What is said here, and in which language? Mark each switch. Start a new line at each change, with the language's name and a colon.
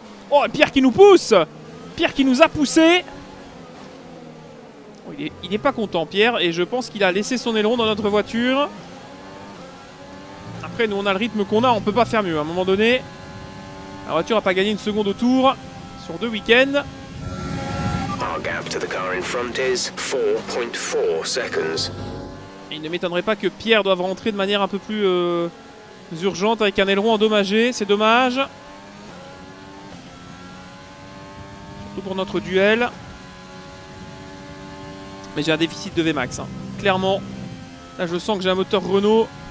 French: Oh, Pierre qui nous pousse! Pierre qui nous a poussé! Oh, il est pas content, Pierre, et je pense qu'il a laissé son aileron dans notre voiture. Après, nous, on a le rythme qu'on a, on peut pas faire mieux à un moment donné. La voiture a pas gagné une seconde au tour sur 2 week-ends.
English: Our gap to the car in front is 4.4 seconds.
French: Il ne m'étonnerait pas que Pierre doive rentrer de manière un peu plus urgente avec un aileron endommagé, c'est dommage. surtout pour notre duel. Mais j'ai un déficit de Vmax, hein. Clairement. Là, je sens que j'ai un moteur Renault.